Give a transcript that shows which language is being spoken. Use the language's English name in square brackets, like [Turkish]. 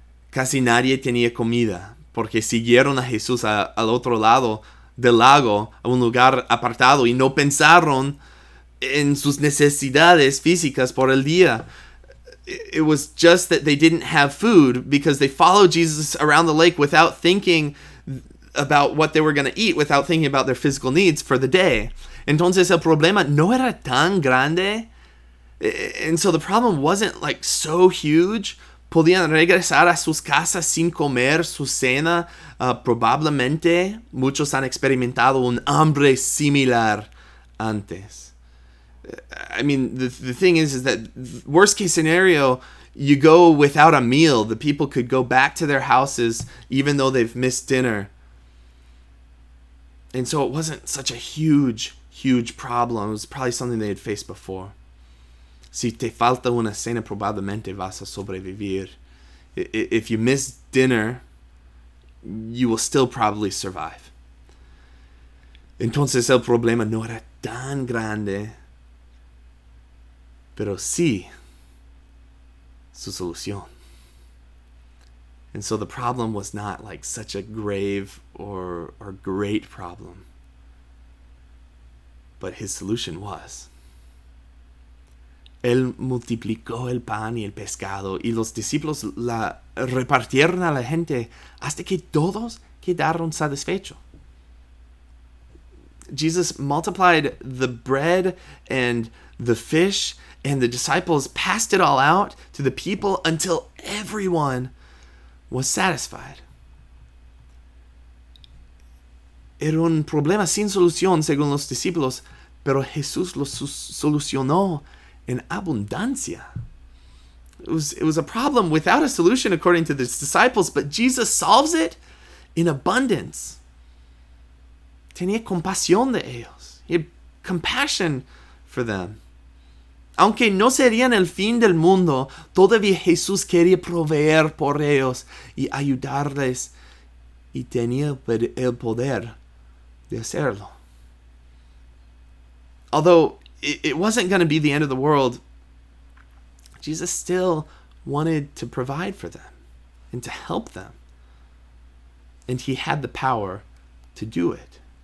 [Spanish] Casi nadie tenía comida, porque siguieron a Jesús al otro lado del lago, a un lugar apartado, y no pensaron en sus necesidades físicas por el día. [English] It was just that they didn't have food, because they followed Jesus around the lake without thinking about what they were going to eat, without thinking about their physical needs for the day. [Spanish] Entonces el problema no era tan grande. [English] And so the problem wasn't like so huge. [Spanish] Podían regresar a sus casas sin comer su cena. Probablemente muchos han experimentado un hambre similar antes. [English] I mean, the thing is that worst case scenario, you go without a meal. The people could go back to their houses even though they've missed dinner. And so it wasn't such a huge, huge problem. It was probably something they had faced before. [Spanish] Si te falta una cena, probablemente vas a sobrevivir. [English] If you miss dinner, you will still probably survive. [Spanish] Entonces el problema no era tan grande, pero sí su solución. [English] And so the problem was not like such a grave or great problem. But his solution was. [Spanish] Él multiplicó el pan y el pescado, y los discípulos la repartieron a la gente hasta que todos quedaron satisfechos. [English] Jesus multiplied the bread and the fish, and the disciples passed it all out to the people until everyone was satisfied. [Spanish] Era un problema sin solución, según los discípulos, pero Jesús lo solucionó en abundancia. [English] It was a problem without a solution, according to the disciples, but Jesus solves it in abundance. [Spanish] Tenía compasión de ellos. [English] He had compassion for them. [Spanish] Aunque no serían el fin del mundo, todavía Jesús quería proveer por ellos y ayudarles, y tenía el poder de hacerlo. [English] Although it wasn't going to be the end of the world, Jesus still wanted to provide for them and to help them. And he had the power to do it.